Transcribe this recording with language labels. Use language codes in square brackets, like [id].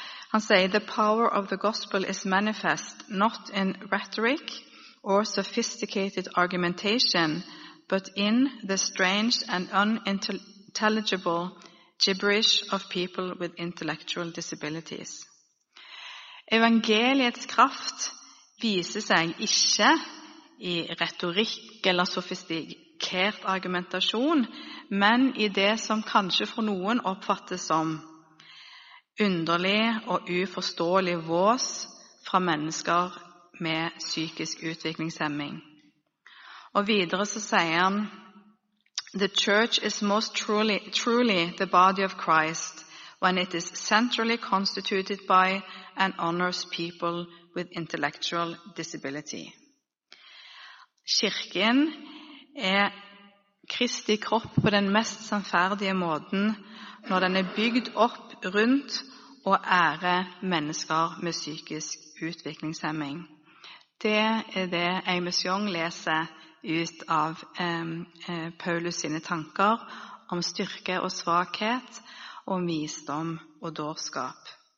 [no] Han sier, [en] the power of the gospel is manifest not in rhetoric or sophisticated argumentation, but in the strange and unintelligible gibberish of people with intellectual disabilities. [no] Evangeliets kraft viser seg ikke i retorikk eller sofistikert argumentasjon, men i det som kanskje for noen oppfattes som underlig og uforståelig vås fra mennesker med psykisk utviklingshemming. Og videre så sier han, [en] the church is most truly the body of Christ when it is centrally constituted by and honors people with intellectual disability. [no] Kirken er Kristi kropp på den mest sannferdige måten, når den bygd opp rundt og ære mennesker med psykisk utviklingshemming. Det det jeg med Sjong leser ut av Paulus sine tanker om styrke og svakhet, og visdom og dårskap.